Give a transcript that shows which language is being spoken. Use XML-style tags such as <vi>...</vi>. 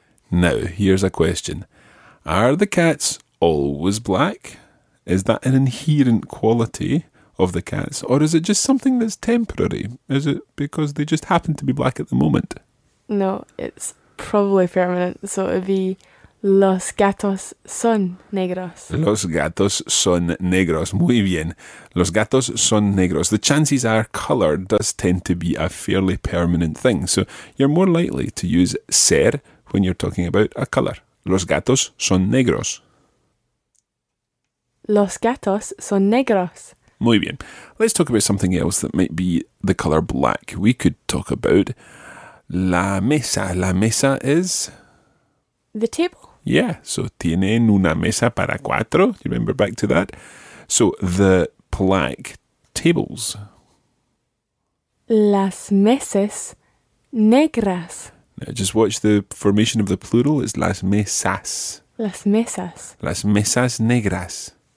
<en>Now, here's a question. Are the cats always black? Is that an inherent quality of the cats? Or is it just something that's temporary? Is it because they just happen to be black at the moment? No, it's probably permanent. So it'd be</en> <es>los gatos son negros. Los gatos son negros. Muy bien. Los gatos son negros.</es> <en>The chances are colour does tend to be a fairly permanent thing. So you're more likely to use ser when you're talking about a colour.</en> <es>Los gatos son negros. Los gatos son negros. Muy bien.</es> <en>Let's talk about something else that might be the colour black. We could talk about</en> <es>la mesa. La mesa</es> <en>is the table. Yeah, so</en> <es>tienen una mesa para cuatro.</es> <en>Do you remember back to that? So the black tables.</en> <es>Las mesas negras.</es> <en>Now just watch the formation of the plural. It's</en> <es>las mesas. Las mesas. Las mesas negras.</es>